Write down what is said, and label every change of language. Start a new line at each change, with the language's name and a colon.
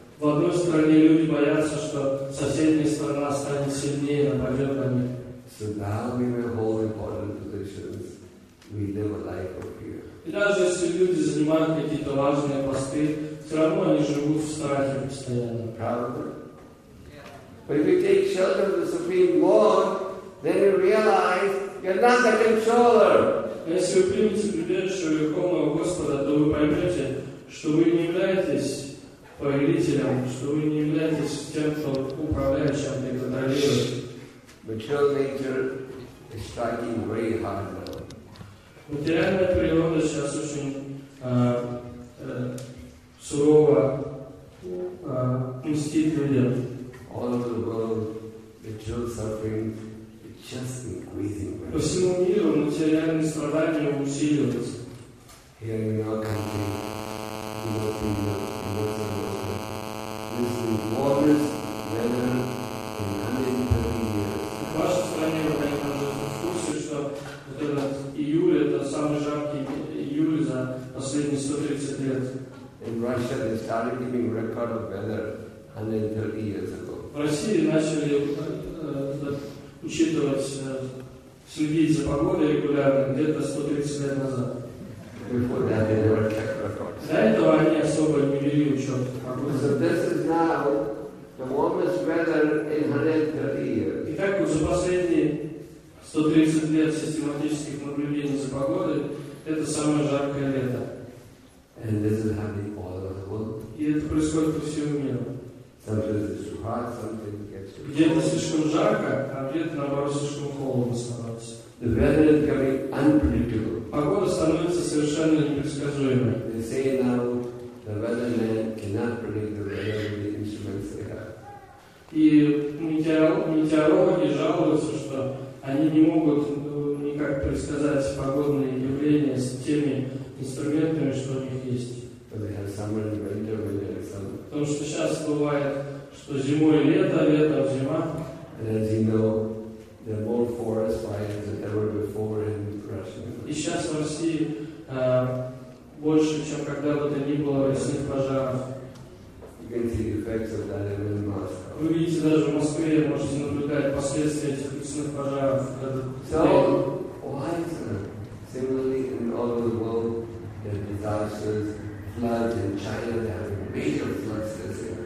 Russian: В одной стране люди боятся, что соседняя страна станет сильнее, нападет на них.
English: So now we may hold important positions. We live a life of fear.
Russian: И даже если люди занимают какие-то важные посты, все равно они живут в страхе постоянно. Правда?
English: But if you take shelter of the Supreme Lord, then you realize you're not the controller.
Russian: Если вы примете прибежище Верховного Господа, то вы поймете, что вы не являетесь повелителем, что вы не являетесь тем, кто управляет, чем вы контролируете.
English: Material nature is striking very hard now.
Russian: Материальная природа сейчас очень сурово мстит людям.
English: All over the world, material suffering is just increasing.
Russian: По всему миру материальные страдания усиливаются.
English: Here in our country, we are seeing much worse and worse. This is the warmest weather in 130 years.
Russian: В вашей стране, вы, наверное, уже в курсе, что вот этот июль — это самый жаркий июль за последние 130 лет.
English: In Russia, they started giving record of weather 130 years ago.
Russian: В России начали учитывать, следить за погодой регулярно где-то 130 лет назад.
English: Before that, they never checked records.
Russian: До этого они особо не вели учет погоды.
English: So this is now the warmest weather in 130 years.
Russian: Итак, за последние 130 лет систематических наблюдений за погодой это самое жаркое лето.
English: And this is happening all over the world.
Russian: И это происходит по всему миру.
English: Sometimes it's too hot, something gets too cold.
Russian: Где-то слишком жарко, а где-то наоборот слишком холодно становится.
English: The weather is becoming unpredictable.
Russian: Погода становится совершенно непредсказуемой.
English: They say now the weatherman cannot predict the weather with the instruments they have.
Russian: И метеорологи жалуются, что они не могут никак предсказать погодные явления с теми инструментами, что у них есть.
English: They have summer and winter, winter and summer.
Russian: Потому что сейчас бывает, что зимой лето, лето зима.
English: And as you know, there are more forest fires than ever before in Russia.
Russian: И сейчас в России больше, чем когда-то не было лесных пожаров.
English: You can see the effects of that in Moscow.
Russian: Вы видите, даже в Москве можете наблюдать последствия этих лесных пожаров.
English: So, why is it? Similarly, in all over the world, there are disasters. Floods in China, they have major floods this year.